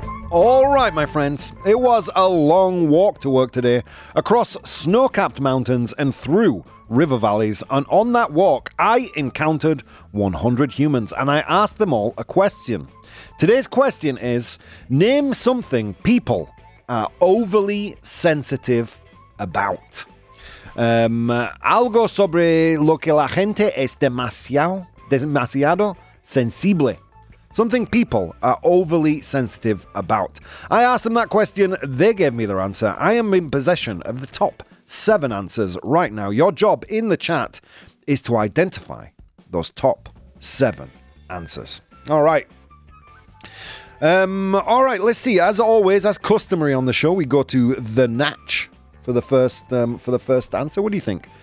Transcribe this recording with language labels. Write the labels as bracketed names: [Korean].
[English] All right, my friends. It was a long walk to work today, across snow-capped mountains and through river valleys, and on that walk I encountered 100 humans and I asked them all a question. Today's question is, name something people are overly sensitive about. [Spanish] Algo sobre lo que la gente es demasiado sensible. [English] Something people are overly sensitive about. I asked them that question, they gave me their answer. I am in possession of the top 7 answers right now. Your job in the chat is to identify those top 7 answers. All right. All right, let's see. As always, as customary on the show, we go to the Natch for the first answer. What do you think?